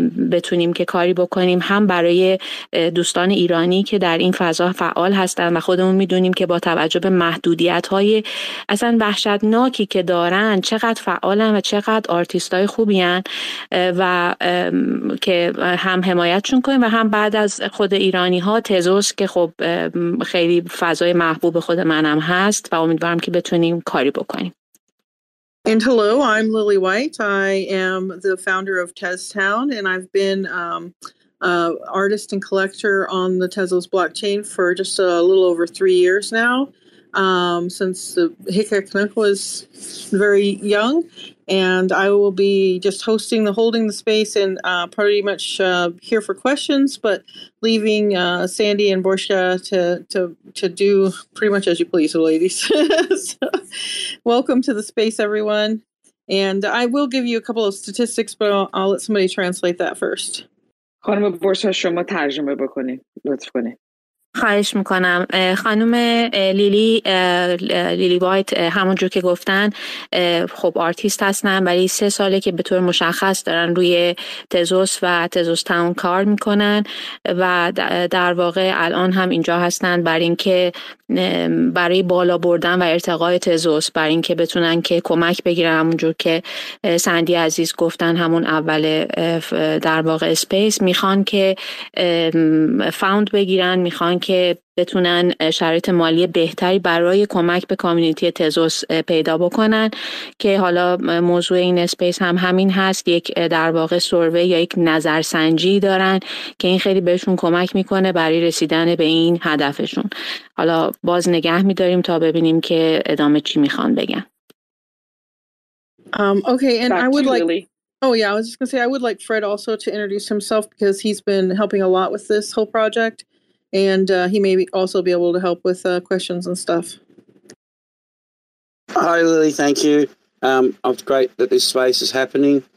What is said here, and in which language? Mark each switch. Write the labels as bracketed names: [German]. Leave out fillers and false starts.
[Persian] بتونیم که کاری بکنیم، هم برای دوستان ایرانی که در این فضا فعال هستن و خودمون میدونیم که با توجه به محدودیت های اصلا وحشتناکی که دارن چقدر فعالن و چقدر آرتیست های خوبی هن و که هم حمایتشون کنیم و هم بعد از خود ایرانی ها تزوس که خب خیلی فضای محبوب خود منم هست و امیدوارم که بتونیم کاری بکنیم. [English] And hello, I'm Lily White. I am the founder of Tez Town, and I've been artist and collector on the Tezos blockchain for just a little over 3 years now, since the Hikaknuk was very young. And I will be just hosting the holding the space and pretty much here for questions, but leaving Sandy and Borsha to do pretty much as you please, ladies. So, welcome to the space, everyone. And I will give you a couple of statistics, but I'll let somebody translate that first. [Persian] خانم بورشا شما ترجمه بکنید لطف کنید. خواهش میکنم. خانم لیلی وایت همونجور که گفتن خب آرتیست هستن ولی 3 ساله که به طور مشخص دارن روی تزوس و تزوس تاون کار میکنن و در واقع الان هم اینجا هستن برای اینکه برای بالا بردن و ارتقای تزوس، برای اینکه بتونن که کمک بگیرن همونجور که سندی عزیز گفتن همون اول در واقع اسپیس، میخوان که فاوند بگیرن، میخوان که بتونن شرایط مالی بهتری برای کمک به کامیونیتی تزوس پیدا بکنن که حالا موضوع این اسپیس هم همین هست، یک در واقع سروی یا یک نظرسنجی دارن که این خیلی بهشون کمک میکنه برای رسیدن به این هدفشون. حالا باز نگه میداریم تا ببینیم که ادامه چی میخوان بگن. [English] Okay, and I would like Oh, yeah, I was just going to say I would like Fred also to introduce himself because he's been helping a lot with this whole project. And he may also be able to help with questions and stuff. Hi, Lily. Thank you. It's great that this space is happening.